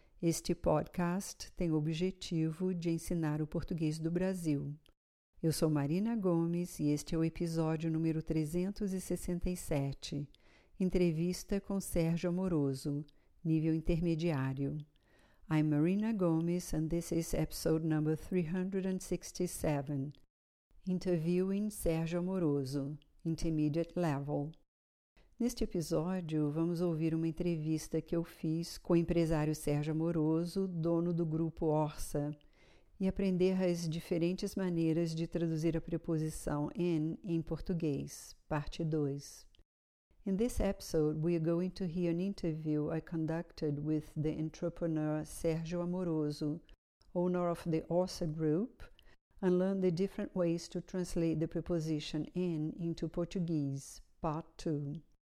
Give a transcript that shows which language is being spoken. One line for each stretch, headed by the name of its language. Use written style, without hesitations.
Portuguese: Este podcast tem o objetivo de ensinar o português do Brasil. Eu sou Marina Gomes e este é o episódio número 367. Entrevista com Sérgio Amoroso, nível intermediário.
English: I'm Marina Gomes and this is episode number 367. Interviewing Sérgio Amoroso, Intermediate Level.
Portuguese: Neste episódio, vamos ouvir uma entrevista que eu fiz com o empresário Sérgio Amoroso, dono do grupo Orsa, e aprender as diferentes maneiras de traduzir a preposição in em português, parte 2.
English: In this episode, we are going to hear an interview I conducted with the entrepreneur Sérgio Amoroso, owner of the Orsa Group, and learn the different ways to translate the preposition in into Portuguese, part 2.